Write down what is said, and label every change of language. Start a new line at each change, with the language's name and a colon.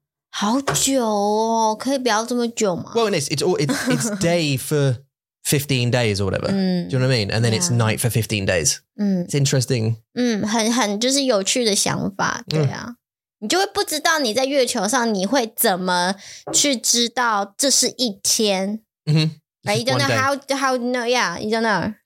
Chinese: 好久哦,可以不要这么久吗?
English: Well, it's day for 15 days or whatever. Do you know what I mean? And then it's night for 15 days. It's interesting.
Chinese: 很就是有趣的想法,对啊。你就会不知道你在月球上你会怎么去知道这是一天。 Mm-hmm.
English: Right, you don't know how to know, yeah, you don't know.